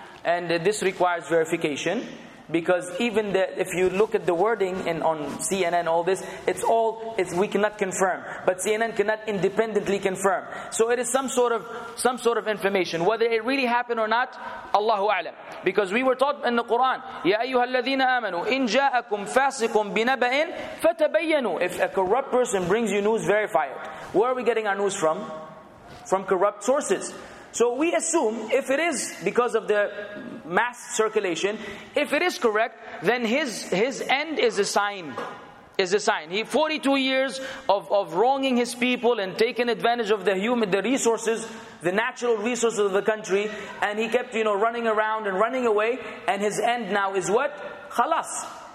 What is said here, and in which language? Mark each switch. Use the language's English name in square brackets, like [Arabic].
[English] And this requires verification, because even the, if you look at the wording in on CNN, all this, it's we cannot confirm. But CNN cannot independently confirm. So it is some sort of information. Whether it really happened or not, Allahu A'lam. Because we were taught in the Quran, [Arabic] يَا أَيُّهَا الَّذِينَ آمَنُوا إِن جَاءَكُمْ فَاسِقٌ بِنَبَئٍ فَتَبَيَّنُوا. [English] If a corrupt person brings you news, verify it. Where are we getting our news from? From corrupt sources. So we assume, if it is because of the mass circulation, if it is correct, then his end is a sign. Is a sign. He 42 years of wronging his people and taking advantage of the resources, the natural resources of the country, and he kept, you know, running around and running away, and his end now is what? Khalas.